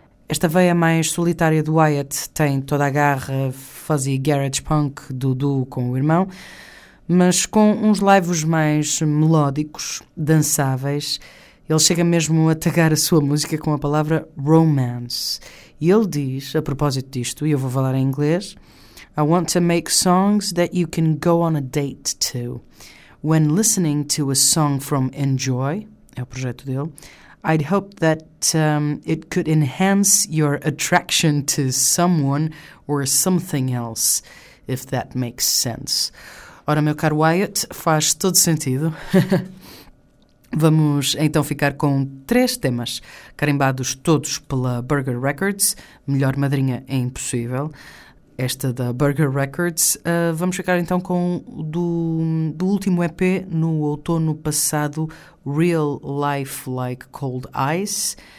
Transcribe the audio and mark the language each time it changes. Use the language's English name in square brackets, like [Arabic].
[Portuguese] Esta veia mais solitária do Wyatt tem toda a garra fuzzy garage punk do duo com o irmão, mas com uns laivos mais melódicos, dançáveis. Ele chega mesmo a tagar a sua música com a palavra romance. E ele diz, a propósito disto, e eu vou falar em inglês, [English] I want to make songs that you can go on a date to. When listening to a song from Enjoy, [Portuguese] é o projeto dele, [English] I'd hope that it could enhance your attraction to someone or something else, if that makes sense. [Portuguese] Ora, meu caro Wyatt, faz todo sentido. Vamos então ficar com três temas, carimbados todos pela Burger Records, melhor madrinha é impossível, esta da Burger Records. Vamos ficar então com do último EP no outono passado, Real Life Like Cold Ice.